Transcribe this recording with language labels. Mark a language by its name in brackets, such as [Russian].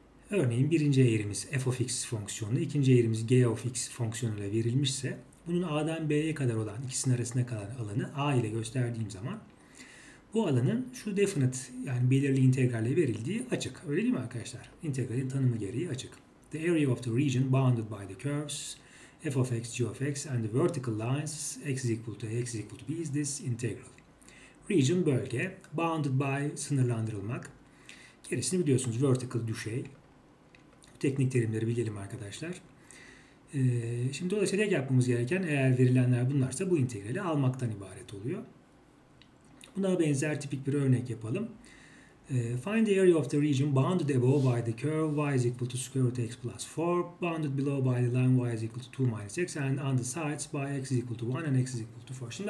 [Turkish] Örneğin birinci eğrimiz f of x fonksiyonu, ikinci eğrimiz g of x fonksiyonuyla verilmişse bunun A'dan B'ye kadar olan ikisinin arasında kalan alanı A ile gösterdiğim zaman bu alanın şu definite yani belirli integralle verildiği açık. Öyle değil mi arkadaşlar? İntegralin tanımı gereği açık. [English] The area of the region bounded by the curves f of x, g of x and the vertical lines x is equal to a, x is equal to b is this integral. [Turkish] Region bölge, bounded by sınırlandırılmak. Gerisini biliyorsunuz vertical düşey. Teknik terimleri bilelim arkadaşlar. Şimdi dolayısıyla tek yapmamız gereken eğer verilenler bunlarsa bu integrali almaktan ibaret oluyor. Buna benzer tipik bir örnek yapalım. [English] Find the area of the region bounded above by the curve y is equal to square root x plus 4, bounded below by the line y is equal to 2 minus x and on the sides by x is equal to 1 and x is equal to 4.